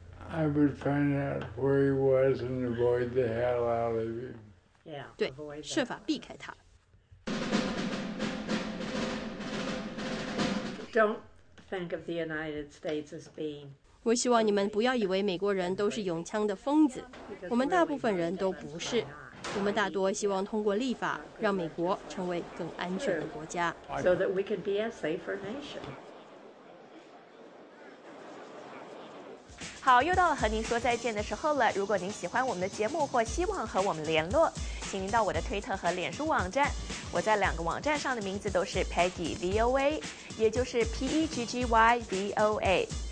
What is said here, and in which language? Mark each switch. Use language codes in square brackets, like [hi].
[en] I would find out where he was and avoid the hell out of him. [zh] 对，设法避开他。 [en] Don't think of the United States as being. [zh] 我希望你们不要以为美国人都是拥枪的疯子，我们大部分人都不是。我们大多希望通过立法让美国成为更安全的国家。 [en] So that we can be a safer nation. [zh] 好，又到了和您说再见的时候了。如果您喜欢我们的节目或希望和我们联络，请您到我的推特和脸书网站。我在两个网站上的名字都是 Peggy VOA， 也就是 PEGGYVOA。